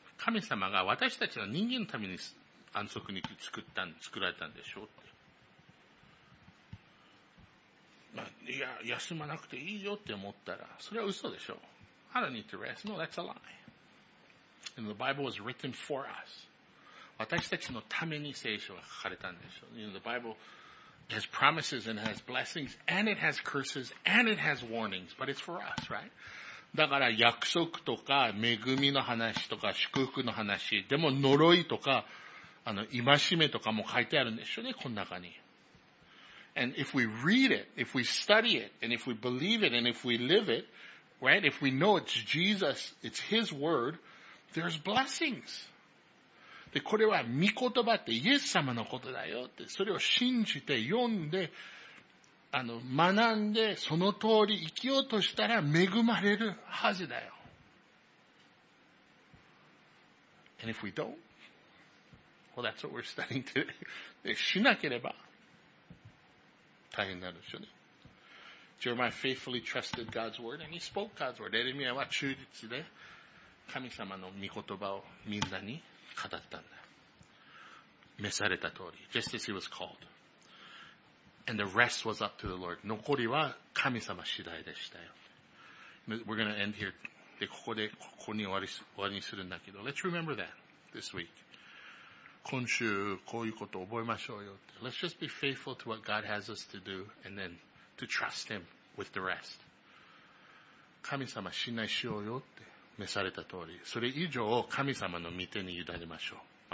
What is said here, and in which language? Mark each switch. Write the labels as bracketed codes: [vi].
[ja] 神様が私たちの人間のために安息日作られたんでしょうって。まあ、いや、休まなくていいよって思ったら、それは嘘でしょ。 [en] I don't need to rest. No, that's a lie. And the Bible was written for us. [ja] 私たちのために聖書が書かれたんでしょ。 [en] You know, the Bible has promises and has blessings and it has curses and it has warnings, but it's for us, right? [ja] だから約束とか恵みの話とか祝福の話、でも呪いとか、戒めとかも書いてあるんでしょうね、この中に。 [en] And if we read it, if we study it, and if we believe it, and if we live it, right, if we know it's Jesus, it's His Word, there's blessings. [ja] で、これは御言葉ってイエス様のことだよって、それを信じて読んで、学んで、その通り生きようとしたら恵まれるはずだよ。 [en] And if we don't, well, that's what we're studying today. [ja] で、しなければ、大変なんでしょうね。 [en] Jeremiah faithfully trusted God's word and he spoke God's word. [ja] エレミアは忠実で神様の御言葉をみんなに語ったんだ。召された通り。 [en] Just as he was called. And the rest was up to the Lord. [ja] 残りは神様次第でしたよ。 [en] We're going to end here. [ja] で、ここに終わりにするんだけど。 [en] Let's remember that this week. [ja] 今週こういうことを覚えましょうよって。 [en] Let's just be faithful to what God has us to do and then to trust Him with the rest. [ja] 神様信頼しようよって召された通り。それ以上を神様の御手に委ねましょう。